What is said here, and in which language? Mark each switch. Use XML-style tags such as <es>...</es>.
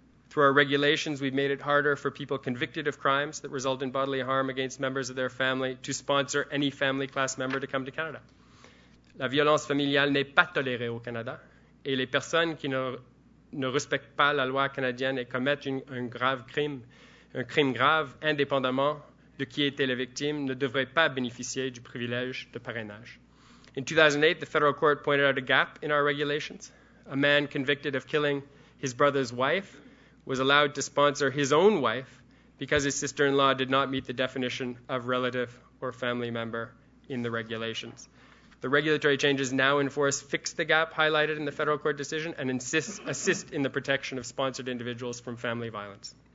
<en>Through our regulations, we've made it harder for people convicted of crimes that result in bodily harm against members of their family to sponsor any family class member to come to Canada.</en> <fr>La violence familiale n'est pas tolérée au Canada, et les personnes qui ne respectent pas la loi canadienne et commettent un crime grave, indépendamment de qui était la victime, ne devraient pas bénéficier du privilège de parrainage.</fr> <en>In 2008, the federal court pointed out a gap in our regulations. A man convicted of killing his brother's wife was allowed to sponsor his own wife because his sister-in-law did not meet the definition of relative or family member in the regulations. The regulatory changes now in force fix the gap highlighted in the federal court decision and assist in the protection of sponsored individuals from family violence.</en>